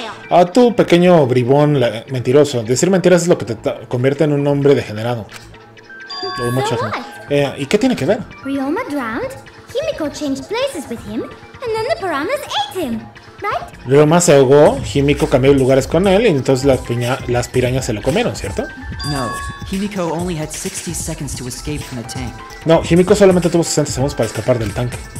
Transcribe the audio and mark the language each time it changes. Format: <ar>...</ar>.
<es>Ah, tu pequeño bribón mentiroso, decir mentiras es lo que te convierte en un hombre degenerado. O mucho más. ¿Y qué tiene que ver?</es> <en>Ryoma drowned, Himiko changed places with him, and then the piranhas ate him.</en> <es>Ryoma se ahogó, Himiko cambió lugares con él y entonces las pirañas se lo comieron, ¿cierto? No, Himiko solamente tuvo 60 segundos para escapar del tanque.</es>